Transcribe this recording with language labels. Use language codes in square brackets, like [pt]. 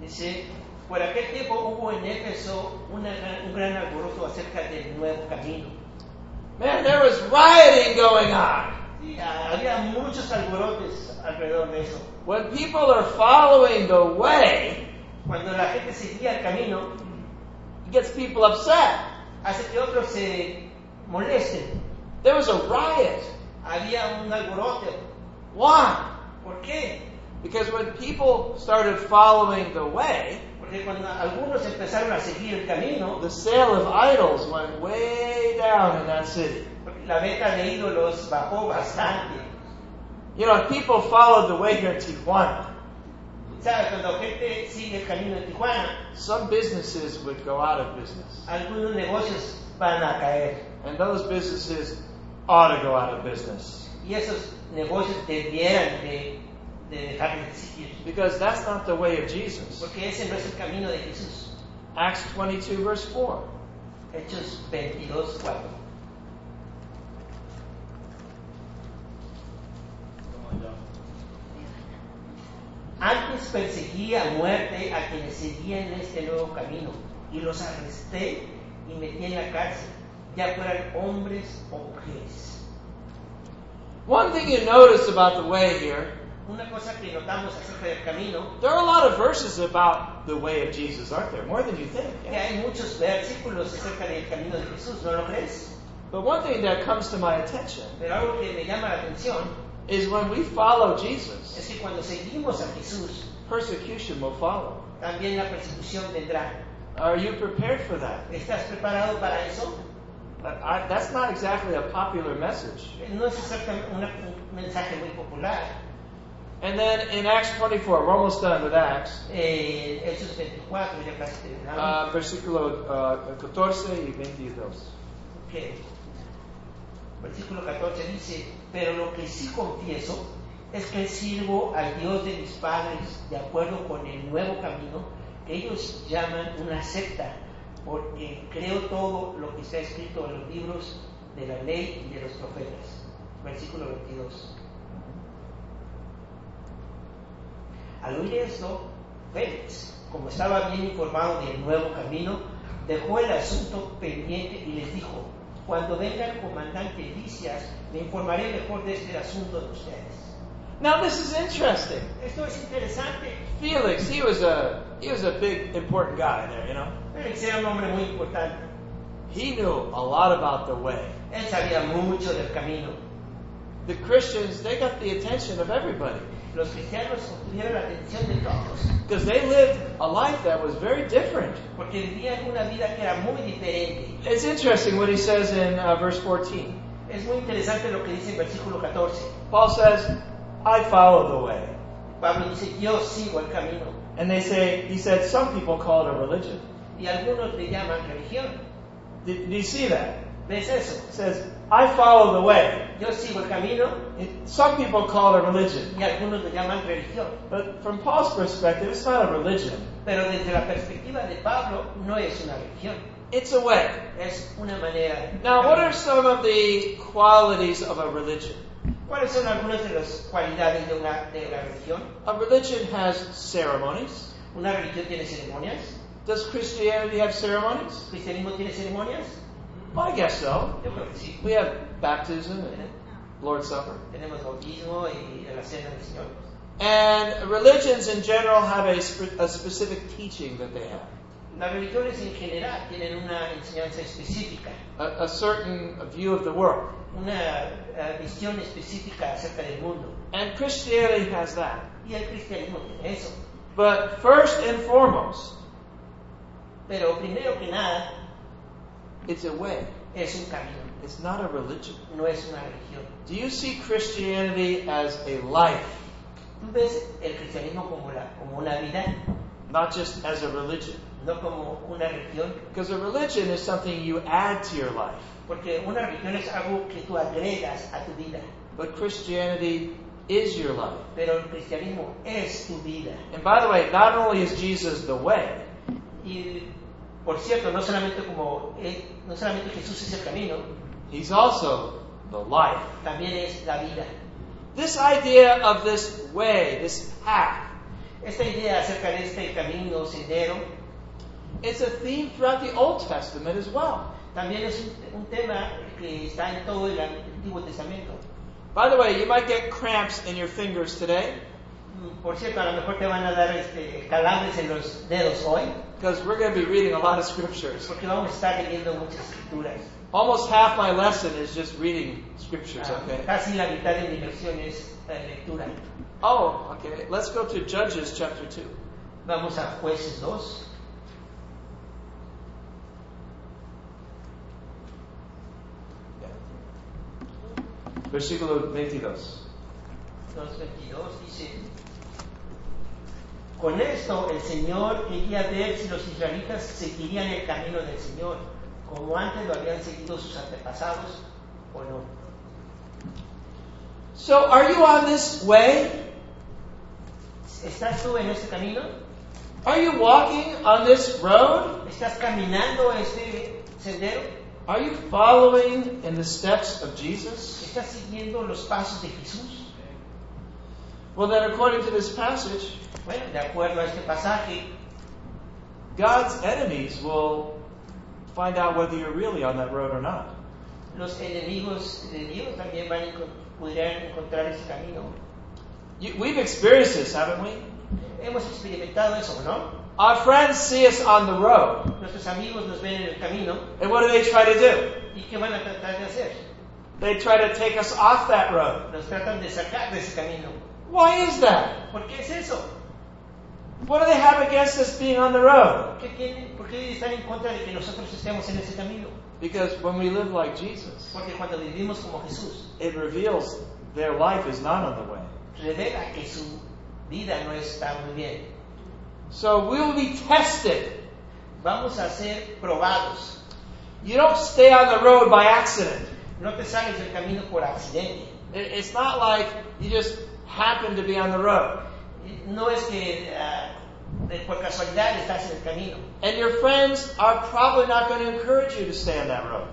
[es] Dice, por aquel tiempo hubo en Éfeso un gran alboroto acerca del nuevo camino. [en] Man, there was rioting going on. [es] Había muchos alborotes alrededor de eso. [en] When people are following the way, [es] cuando la gente seguía el camino, [en] gets people upset. [es] Hace que otros se molesten. [en] There was a riot. [es] Había un alboroto. [en] Why? [es] ¿Por qué? [en] Because when people started following the way, [es] porque cuando algunos empezaron a seguir el camino, [en] the sale of idols went way down in that city. [es] La venta de ídolos bajó bastante. [en] You know, people followed the way here in Tijuana. [es] ¿Sabe? Cuando gente sigue el camino de Tijuana, [en] some businesses would go out of business. [es] Algunos negocios van a caer. [en] And those businesses ought to go out of business. [es] Y esos negocios debieran de dejar de existir. [en] Because that's not the way of Jesus. [es] Porque ese no es el camino de Jesús. [en] Acts 22, verse 4. [es] Hechos 22, 4. Antes perseguí a muerte a quienes seguían en este nuevo camino, y los arresté y metí en la cárcel, ya fueran hombres o mujeres. [en] One thing you notice about the way here, [es] una cosa que notamos acerca del camino, [en] there are a lot of verses about the way of Jesus, aren't there? More than you think. Yes. [es] Que hay muchos versículos acerca del camino de Jesús, ¿no lo crees? [en] But one thing that comes to my attention, [es] pero algo que me llama la atención, [en] is when we follow Jesus, [es] es que cuando seguimos a Jesús, [en] persecution will follow. [es] También la persecución vendrá. [en] Are you prepared for that? [es] ¿Estás preparado para eso? [en] That's not exactly a popular message. [es] No es exactamente un mensaje muy popular. [en] And then in Acts 24, we're almost done with Acts. [es] Hechos 24, ya casi terminamos. Versículo 14 y 22. [en] Okay. [es] Versículo 14 dice, pero lo que sí confieso es que sirvo al Dios de mis padres de acuerdo con el nuevo camino que ellos llaman una secta, porque creo todo lo que está escrito en los libros de la ley y de los profetas. Versículo 22. Al oír esto, Félix, como estaba bien informado del nuevo camino, dejó el asunto pendiente y les dijo, cuando venga el comandante Licias, me informaré mejor de este asunto de ustedes. [en] Now this is interesting. [es] Esto es interesante. [en] Felix, he was a big important guy there, you know. [es] Felix era un hombre muy importante. [en] He knew a lot about the way. [es] Él sabía mucho del camino. [en] The Christians, they got the attention of everybody. [es] Los cristianos obtuvieron la atención de todos. [en] Because they lived a life that was very different. [es] Porque vivían una vida que era muy diferente. [en] It's interesting what he says in verse 14. [es] Es muy interesante lo que dice en versículo 14. [en] Paul says, I follow the way. [es] Pablo dice, yo sigo el camino. [en] And they say, he said, some people call it a religion. [es] Y algunos le llaman religión. [en] Do you see that? [es] ¿Ves eso? [en] He says, I follow the way. [es] Yo sigo el camino. [en] Some people call it a religion. [es] Y algunos le llaman religión. [en] But from Paul's perspective, it's not a religion. [es] Pero desde la perspectiva de Pablo, no es una religión. [en] It's a way. [es] Es una manera. [en] Now, what are some of the qualities of a religion? [es] ¿Cuáles son algunas de las cualidades de una religión? [en] A religion has ceremonies. [es] ¿Una religión tiene ceremonias? [en] Does Christianity have ceremonies? [es] ¿Cristianismo tiene ceremonias? [en] Well, I guess so. We have baptism and Lord's Supper. [es] Tenemos bautismo y la cena del Señor. [en] And religions in general have a specific teaching that they have. [es] Las religiones en general tienen una enseñanza específica. [en] A certain view of the world. [es] Una visión específica acerca del mundo. [en] And Christianity has that. [es] Y el cristianismo tiene eso. [en] But first and foremost, [es] pero primero que nada, [en] it's a way. [es] Es un camino. [en] It's not a religion. [es] No es una religión. [en] Do you see Christianity as a life? [es] ¿Tú ves el cristianismo como una vida? [en] Not just as a religion. [es] No como una religión. [en] Because a religion is something you add to your life. [es] Porque una religión es algo que tú agregas a tu vida. [en] But Christianity is your life. [es] Pero el cristianismo es tu vida. [en] And by the way, not only is Jesus the way. [es] Y por cierto, no solamente como no solamente Jesús es el camino. [en] He's also the life. [es] También es la vida. [en] This idea of this way, this path. [es] Esta idea acerca de este camino sendero. [en] It's a theme throughout the Old Testament as well. [es] También es un tema que está en todo el Antiguo Testamento. [en] By the way, you might get cramps in your fingers today. [es] Por cierto, a lo mejor te van a dar calambres en los dedos hoy. [en] Because we're going to be reading a lot of scriptures. [es] Porque vamos a estar leyendo muchas escrituras. [en] Almost half my lesson is just reading scriptures, okay? [es] Casi la mitad de mi lección es lectura. [en] Oh, okay. Let's go to Judges chapter 2. [es] Vamos a Jueces 2. Versículo 22. 22 dice: con esto el Señor quería ver si los israelitas seguirían el camino del Señor, como antes lo habían seguido sus antepasados, o no. [en] So, are you on this way? [es] ¿Estás tú en este camino? [en] Are you walking on this road? [es] ¿Estás caminando en este sendero? [en] Are you following in the steps of Jesus? [es] ¿Estás siguiendo los pasos de Jesús? [en] Well, then, according to this passage, [es] bueno, de acuerdo a este pasaje, [en] God's enemies will find out whether you're really on that road or not. [es] Los enemigos de Dios también van a poder encontrar ese camino. [en] We've experienced this, haven't we? [es] Hemos experimentado eso, ¿no? [en] Our friends see us on the road. [es] Nuestros amigos nos ven en el camino. [en] And what do they try to do? [es] ¿Y qué van a tratar de hacer? [en] They try to take us off that road. [es] Nos tratan de sacar de ese camino. [en] Why is that? [es] ¿Por qué es eso? [en] What do they have against us being on the road? [es] ¿Qué tienen? ¿Por qué están en contra de que nosotros estemos en ese camino? [en] Because when we live like Jesus, [es] porque cuando vivimos como Jesús, [en] it reveals their life is not on the way. [es] Revela que su vida no está muy bien. [en] So we'll be tested. [es] Vamos a ser probados. [en] You don't stay on the road by accident. [es] No te sales del camino por accidente. [en] It's not like you just happen to be on the road. [es] No es que por casualidad estás en el camino. [en] And your friends are probably not going to encourage you to stay on that road.